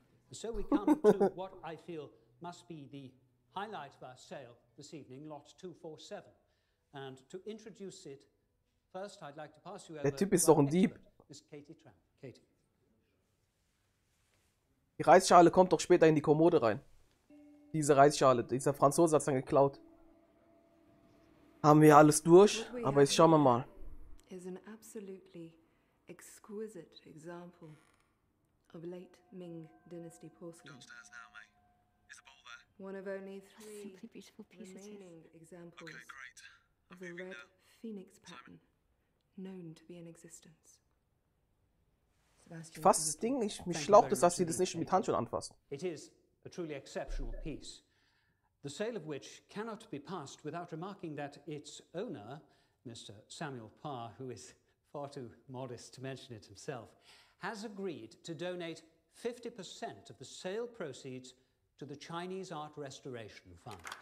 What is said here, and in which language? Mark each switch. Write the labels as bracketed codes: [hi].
[en] So we come to what I feel must be the highlight of our sale this evening, lot 247. And to introduce it, first I'd like to pass you over. [de] Der Typ ist doch ein Dieb. [en] Miss Katie Tran. Katie. [de] Die Reisschale kommt doch später in die Kommode rein. Diese Reisschale, dieser Franzose hat es dann geklaut. Haben wir alles durch, aber jetzt schauen wir mal. [en] Is an absolutely exquisite example of late Ming Dynasty porcelain. Downstairs now, mate. Is the ball there? One of only three simply beautiful pieces remaining examples. Okay, great. Of the red phoenix pattern known to be in existence. [de] Ich fasse das Ding, mich schlaucht es, dass sie das nicht mit Handschuhen anfasst. [en] It is a truly exceptional piece, the sale of which cannot be passed without remarking that its owner, Mr. Samuel Parr, who is far too modest to mention it himself, has agreed to donate 50% of the sale proceeds to the Chinese Art Restoration Fund.